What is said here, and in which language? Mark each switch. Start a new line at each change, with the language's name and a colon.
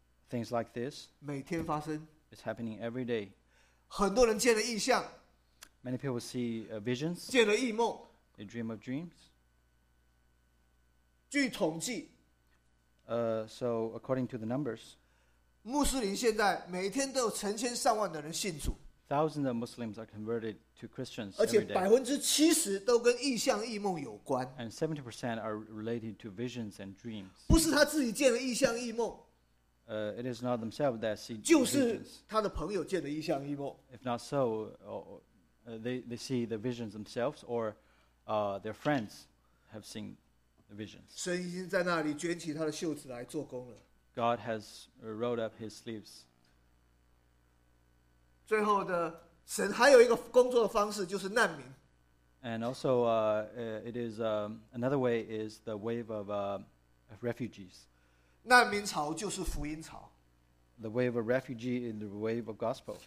English: ，things like this，
Chinese: 每天发生。
English: It's happening every day.
Chinese: 很多人见了异象。
English: Many people see visions.
Chinese: 见了异梦。
English: They dream of dreams.
Chinese: 据统计。
English: So according to the numbers.
Chinese: 穆斯林现在每天都有成千上万的人信主。
English: Thousands of Muslims are converted to Christians every day.
Chinese: 而且70%都跟异象异梦有关。
English: And 70% are related to visions and dreams.
Chinese: 不是他自己见了异象异梦。
English: It is not themselves that see visions.
Chinese: 就是他的朋友见了异象异梦。
English: If not so, they see the visions themselves or their friends have seen the visions.
Chinese: 神已经在那里卷起他的袖子来做工了。
English: God has rolled up his sleeves.
Chinese: 最后的神还有一个工作的方式，就是难民。
English: And also, it is another way is the wave of refugees.
Chinese: 难民潮就是福音潮。
English: The wave of refugee is the wave of gospel.